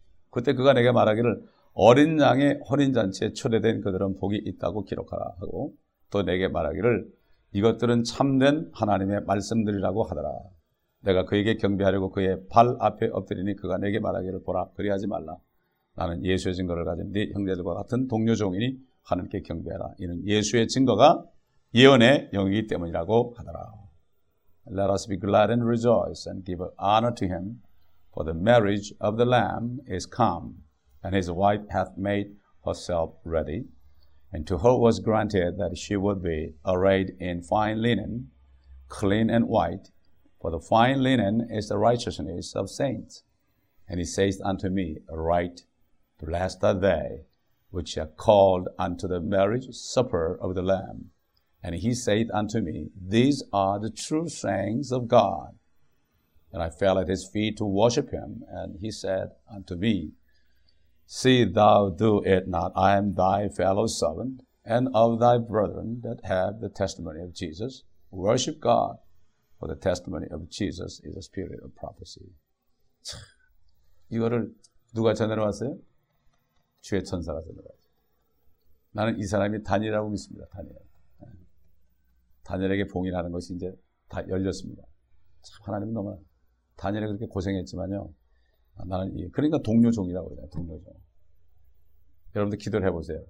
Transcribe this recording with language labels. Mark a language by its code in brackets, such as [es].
[ko] 그때 그가 내게 말하기를 어린 양의 혼인잔치에 초대된 그들은 복이 있다고 기록하라 하고 또 내게 말하기를 이것들은 참된 하나님의 말씀들이라고 하더라. 내가 그에게 경배하려고 그의 발 앞에 엎드리니 그가 내게 말하기를 보라 그리하지 말라. 나는 예수의 증거를 가진 네 형제들과 같은 동료종이니 하나님께 경배하라. 이는 예수의 증거가 예언의 영이기 때문이라고 하더라. [en] Let us be glad and rejoice and give honor to him. For the marriage of the Lamb is come, and his wife hath made herself ready. And to her was granted that she would be arrayed in fine linen, clean and white. For the fine linen is the righteousness of saints. And he saith unto me, Write, blessed are they which are called unto the marriage supper of the Lamb. And he saith unto me, These are the true sayings of God. And I fell at his feet to worship him, and he said unto me, See thou do it not, I am thy fellow servant, and of thy brethren that have the testimony of Jesus. Worship God, for the testimony of Jesus is the spirit of prophecy. [ko] 이거를 누가 전해왔어요? 주의 천사가 전해왔어요. 나는 이 사람이 다니엘이라고 믿습니다, 다니엘. 다니엘에게 봉인하는 것이 이제 다 열렸습니다. 참, 하나님 너무. 다니엘이 그렇게 고생했지만요. 나는 그러니까 동료종이라고 그래요. 동료종. 여러분들 기도를 해보세요.